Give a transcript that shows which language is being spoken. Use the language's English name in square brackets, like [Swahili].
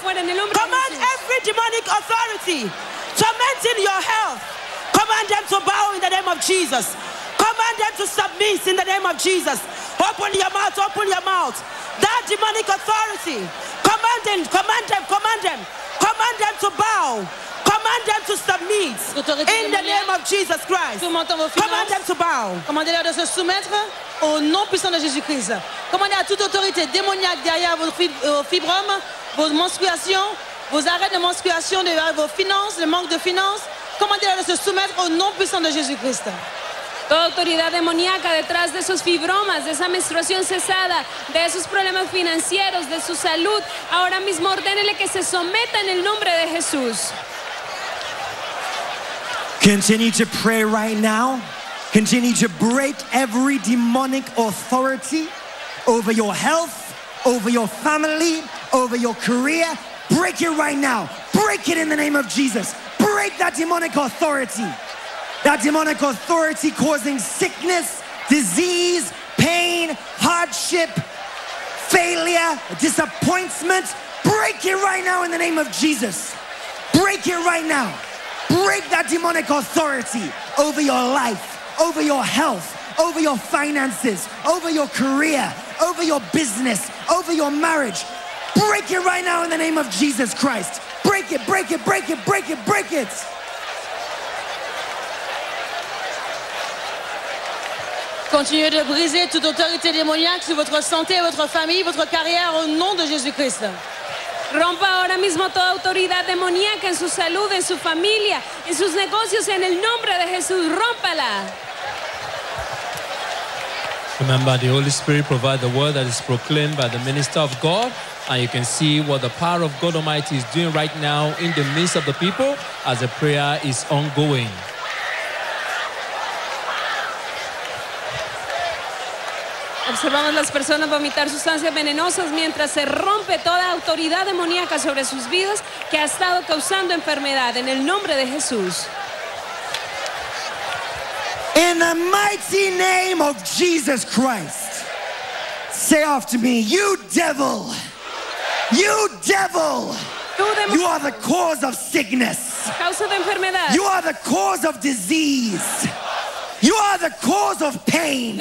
[English] Command every demonic authority tormenting your health, command them to bow in the name of Jesus. Command them to submit in the name of Jesus. Open your mouth, open your mouth. That demonic authority, command them, command them, command them, command them to bow. Command them to submit in the name of Jesus Christ. Command them to bow. [French] Commandez-leur de se soumettre au nom puissant de Jésus-Christ. Commandez à toute autorité démoniaque derrière vos fibromes, vos menstruations, vos arrêts de menstruation, derrière vos finances, le manque de finances. Commandez-leur de se soumettre au nom puissant de Jésus-Christ. [Spanish] Toda autoridad demoníaca detrás de esos fibromas, de esa menstruación cesada, de esos problemas financieros, de su salud, ahora mismo ordénele que se someta en el nombre de Jesús. [English] Continue to pray right now. Continue to break every demonic authority over your health, over your family, over your career. Break it right now. Break it in the name of Jesus. Break that demonic authority. That demonic authority causing sickness, disease, pain, hardship, failure, disappointment. Break it right now in the name of Jesus. Break it right now. Break that demonic authority over your life, over your health, over your finances, over your career, over your business, over your marriage. Break it right now in the name of Jesus Christ. Break it, break it, break it, break it, break it. [French] Continuez de briser toute autorité démoniaque sur votre santé, votre famille, votre carrière au nom de Jésus-Christ. [Spanish] Rompa ahora mismo toda autoridad demoníaca en su salud, en su familia, en sus negocios, en el nombre de Jesús. Rómpala. [English] Remember, the Holy Spirit provides the word that is proclaimed by the minister of God, and you can see what the power of God Almighty is doing right now in the midst of the people as the prayer is ongoing. [Spanish] Observamos las personas vomitar sustancias venenosas mientras se rompe toda autoridad demoníaca sobre sus vidas que ha estado causando enfermedad en el nombre de Jesús. [English] In the mighty name of Jesus Christ, say after me, you devil, you devil, you are the cause of sickness, [Spanish] causa de enfermedad. [English] You are the cause of disease. You are the cause of pain.